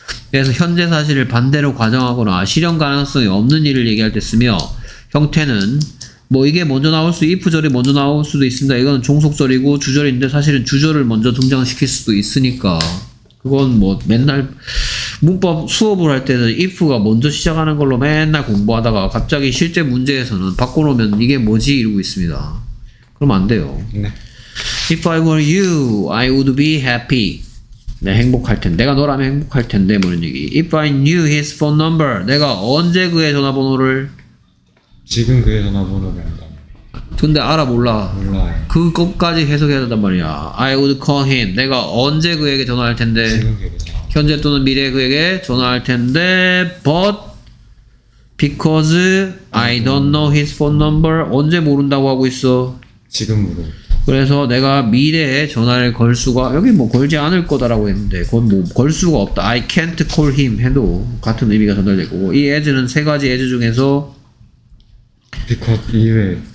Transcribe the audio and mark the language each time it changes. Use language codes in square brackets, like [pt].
[ko] 그래서 현재 사실을 반대로 과정하거나 실현 가능성이 없는 일을 얘기할 때 쓰며 형태는 뭐 이게 먼저 나올 수 if절이 먼저 나올 수도 있습니다. 이건 종속절이고 주절인데 사실은 주절을 먼저 등장시킬 수도 있으니까 그건 뭐 맨날 문법 수업을 할 때는 if가 먼저 시작하는 걸로 맨날 공부하다가 갑자기 실제 문제에서는 바꿔놓으면 이게 뭐지 이러고 있습니다. 그럼 안 돼요. 네. [en] If I were you, I would be happy. [ko] 내가 행복할 텐데. 내가 너라면 행복할 텐데. 뭐 이런 얘기. [en] If I knew his phone number. [ko] 내가 언제 그의 전화번호를? 지금 그의 전화번호를 한다. 근데 알아 몰라. 몰라. 그것까지 해석해야 된단 말이야. [en] I would call him. [ko] 내가 언제 그에게 전화할 텐데. 현재 또는 미래 그에게 전화할 텐데. [en] But because I don't know his phone number. [ko] 언제 모른다고 하고 있어? 지금 모르. 그래서 내가 미래에 전화를 걸 수가 여기 뭐 걸지 않을 거다라고 했는데 그건 뭐 걸 수가 없다. [en] I can't call him [ko] 해도 같은 의미가 전달되고 이 as는 세 가지 as 중에서 because 이외에